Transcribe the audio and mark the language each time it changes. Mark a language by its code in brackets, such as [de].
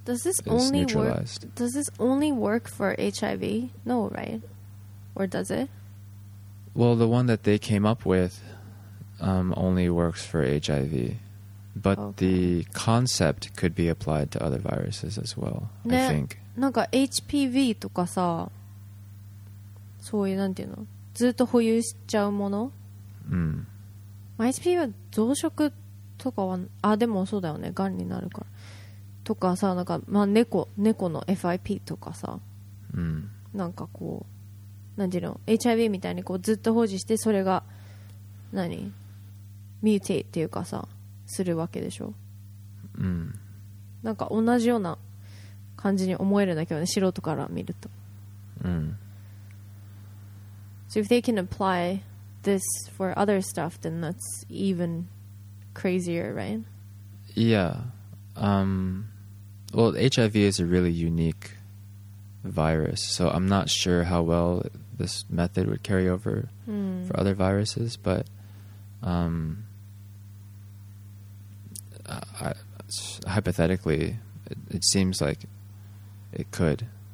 [en] is neutralized. Does this only work for HIV? No, right? Or does it? Well, the one that they came up with only works for HIV. But the concept could be applied to other viruses as well, [ja] ね、 [en] I think. [ja] なんか HPV とかさ、そういうなんていうの、ずっと保有しちゃうもの。 HPV は増殖とかは、あ、でもそうだよね、癌になるから。とかさ、なんか、まあ、猫の FIP とかさ、なんかこう、何ていうの、HIV みたいにこうずっと保持して、それが、何、ミューテイっていうかさ、するわけでしょ。なんか同じような感じに思えるんだけどね、素人から見ると。 [en] So if they can apply this for other stuff, then that's even crazier, right? Yeah. Well, HIV is a really unique virus, so I'm not sure how well this method would carry over for other viruses, but hypothetically, it seems like it could.